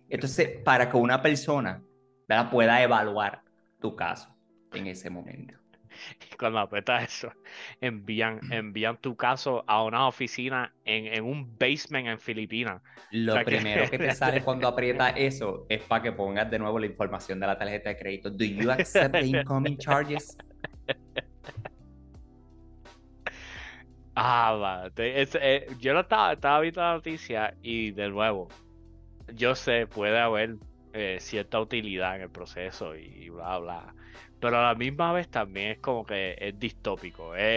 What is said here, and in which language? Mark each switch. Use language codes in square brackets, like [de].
[es] Entonces, para que una persona pueda evaluar tu caso en ese momento. Cuando aprietas eso, envían tu caso a una oficina en un basement en Filipinas. Lo primero que te sale cuando aprietas eso es para que pongas de nuevo la información de la tarjeta de crédito. [en] Do you accept the incoming charges? [es] Ah, yo no estaba viendo la noticia y de nuevo, yo sé, puede haber cierta utilidad en el proceso y bla, bla, pero a la misma vez también es como que es distópico.